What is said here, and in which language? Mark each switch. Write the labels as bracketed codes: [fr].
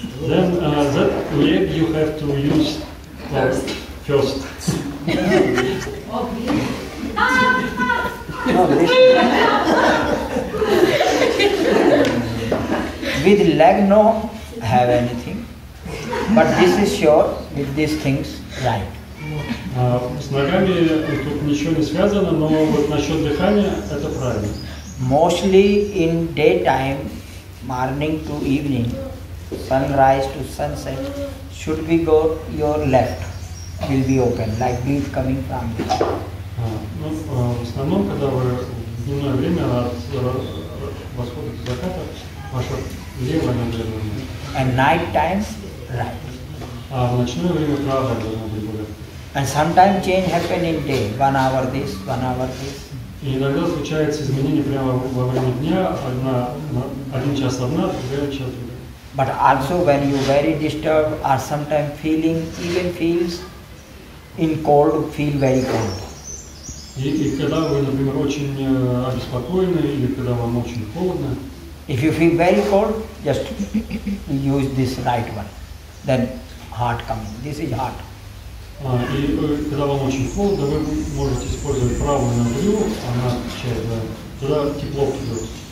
[en] Then that leg you have to use first. With leg no have anything, but this is sure with these things right. [ru] С ногами тут ничего не связано, но вот насчет дыхания это правильно. [en] Mostly in daytime, morning to evening, sunrise to sunset, should be go your left will be open, like breath coming from this. [ru] В основном, когда вы в дневное время от восхода до заката, ваша левая нога должна быть. [en] And night times right. [ru] А в ночное время правая должна быть более. [en] And sometimes change happen in day, 1 hour this, 1 hour this. [ru] И иногда случается изменение прямо во время дня, один час одна, другая час другая. [en] But also when you very disturbed or sometimes feels in cold, feel very cold. [ru] И когда вы, например, очень обеспокоены или когда вам очень холодно, [en] If you feel very cold, just use this right one. Then heart coming. This is heart. [ru] И когда вам очень холодно, вы можете использовать правую ноздрю, она через туда тепло придет.